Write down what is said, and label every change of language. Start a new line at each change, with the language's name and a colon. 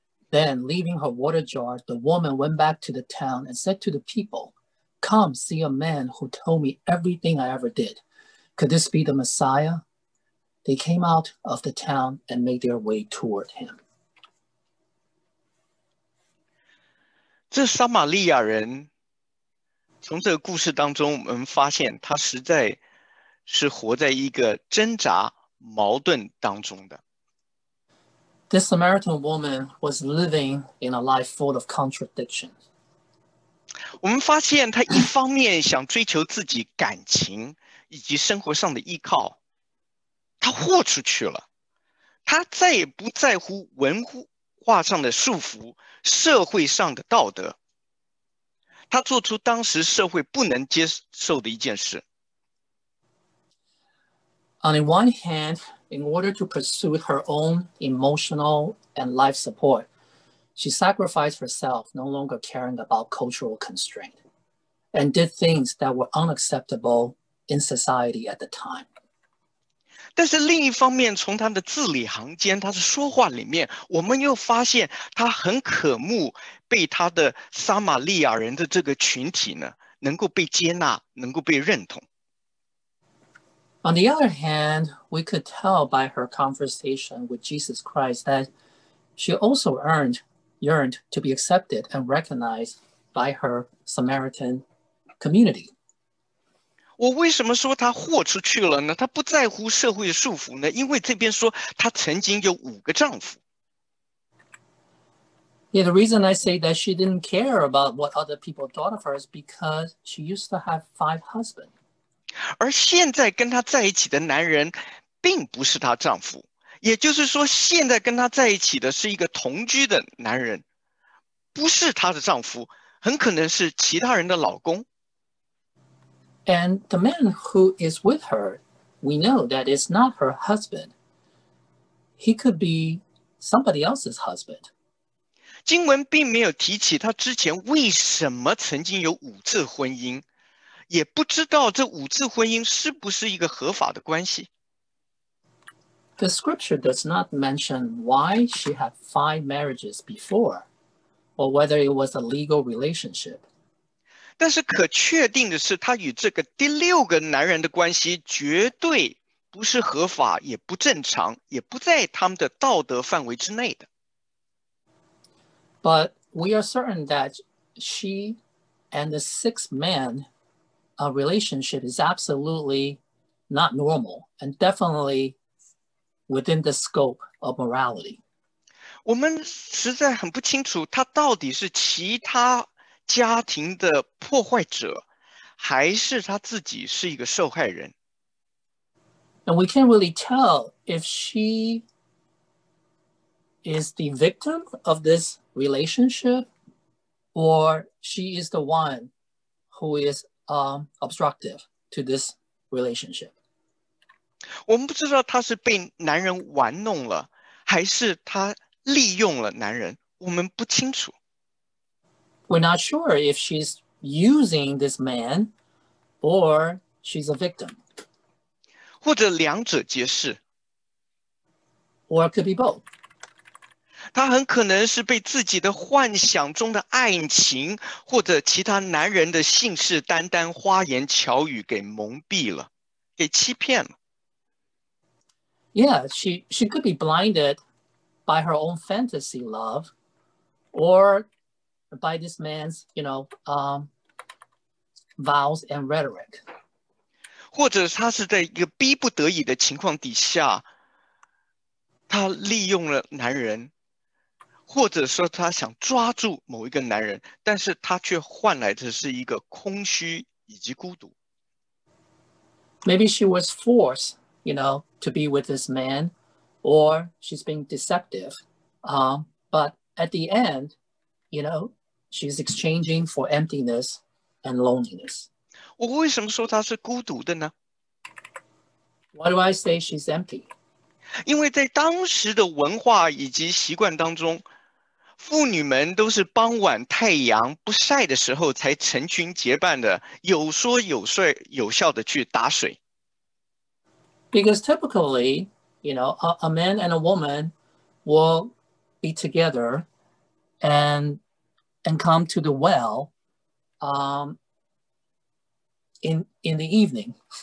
English: Then, leaving her water jar, the woman went back to the town and said to the people, Come, see a man who told me everything I ever did. Could this be the Messiah? They came out of the town and made their way toward him.
Chinese: 这撒玛利亚人，从这个故事当中，我们发现他实在是活在一个挣扎、矛盾当中的。
English: This Samaritan woman was living in a life full of contradictions.
Chinese: 我们发现他一方面想追求自己感情以及生活上的依靠，他豁出去了，他再也不在乎文化上的束缚、社会上的道德。他做出当时社会不能接受的一件事。
English: On the one hand, in order to pursue her own emotional and life support, she sacrificed herself, no longer caring about cultural constraint, and did things that were unacceptable in society at the time.
Chinese: 但是另一方面，从他的字里行间，他的说话里面，我们又发现他很渴慕被他的撒玛利亚人的这个群体呢，能够被接纳，能够被认同。
English: On the other hand, we could tell by her conversation with Jesus Christ that she also yearned to be accepted and recognized by her Samaritan community.
Chinese: 我为什么说他豁出去了呢？他不在乎社会的束缚呢？因为这边说他曾经有五个丈夫。
English: Yeah, the reason I say that she didn't care about what other people thought of her is because she used to have 5 husbands.
Chinese: 而现在跟他在一起的男人并不是他丈夫，也就是说现在跟他在一起的是一个同居的男人，不是他的丈夫，很可能是其他人的老公。
English: And the man who is with her, we know that it's not her husband. He could be somebody else's husband.
Chinese: 经文并没有提起他之前为什么曾经有五次婚姻，也不知道这五次婚姻是不是一个合法的关系。
English: The scripture does not mention why she had 5 marriages before, or whether it was a legal relationship.
Chinese: 但是可确定的是，她与这个第六个男人的关系绝对不是合法，也不正常，也不在他们的道德范围之内的。
English: But we are certain that she and the 6th man, a relationship is absolutely not normal and definitely within the scope of morality.
Chinese: 我们实在很不清楚，她到底是其他家庭的破坏者，还是她自己是一个受害人。
English: And we can't really tell if she is the victim of this relationship, or she is the one who is obstructive to this relationship.
Chinese: 我们不知道她是被男人玩弄了，还是她利用了男人，我们不清楚。
English: We're not sure if she's using this man or she's a victim.
Chinese: 或者两者皆是。
English: Or it could be both.
Chinese: 她很可能是被自己的幻想中的爱情或者其他男人的信誓旦旦、花言巧语给蒙蔽了，给欺骗了。
English: Yeah, she could be blinded by her own fantasy love or... by this man's, you know, vows and rhetoric.
Chinese: 或者他是在一个逼不得已的情况底下，他利用了男人，或者说他想抓住某一个男人，但是他却换来的是一个空虚以及孤独。
English: Maybe she was forced, you know, to be with this man, or she's being deceptive. But at the end, you know, she's exchanging for emptiness and loneliness.
Chinese: 我为什么说她是孤独的呢？
English: Why do I say she's empty?
Chinese: 因为在当时的文化以及习惯当中， 妇女们都是傍晚太阳不晒的时候才成群结伴的， 有说有睡有笑的去打水。
English: Because typically, you know, a man and a woman will be together and come to the well in the evening.